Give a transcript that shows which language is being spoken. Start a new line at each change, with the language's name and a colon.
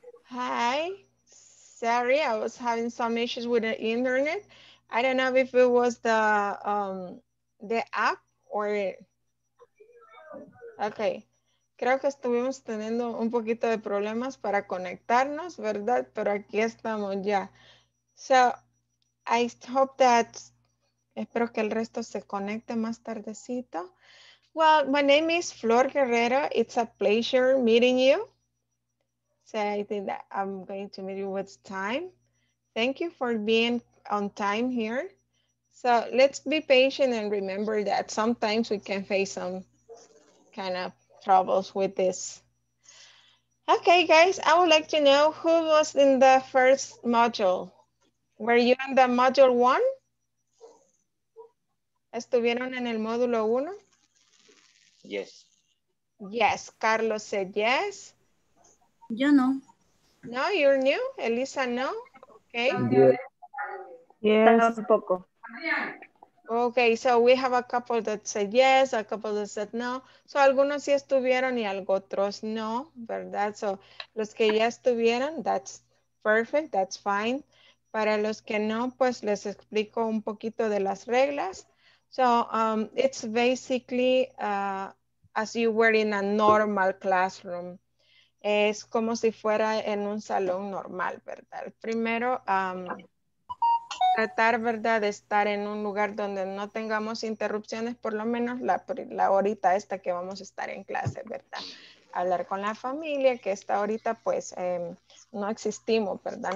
English: Hi, sorry, I was having some issues with the internet. I don't know if it was the app or.
Spanish: Okay, creo que estuvimos teniendo un poquito de problemas para conectarnos, ¿verdad? Pero aquí estamos ya.
English: So, I hope that.
Spanish: Espero que el resto se conecte más tardecito.
English: Well, my name is Flor Guerrero. It's a pleasure meeting you. So I think that I'm going to meet you with time. Thank you for being on time here. So let's be patient and remember that sometimes we can face some kind of troubles with this. Okay, guys, I would like to know who was in the first module. Were you in the module one?
Spanish: ¿Estuvieron en el módulo uno?
English: Yes. Yes, Carlos said yes.
Spanish: Yo no.
English: No, you're new. Elisa, no. Okay. Yes.
Spanish: Tampoco.
English: Okay, so we have a couple that said yes, a couple that said no.
Spanish: So algunos sí estuvieron y algo otros no, ¿verdad?
English: So
Spanish: los que ya estuvieron,
English: that's perfect, that's fine.
Spanish: Para los que no, pues les explico un poquito de las reglas.
English: So it's basically as you were in a normal classroom.
Spanish: Es como si fuera en un salón normal, ¿verdad? Primero, tratar, ¿verdad?, de estar en un lugar donde no tengamos interrupciones, por lo menos la horita esta que vamos a estar en clase, ¿verdad? Hablar con la familia, que esta horita, pues, no existimos, ¿verdad?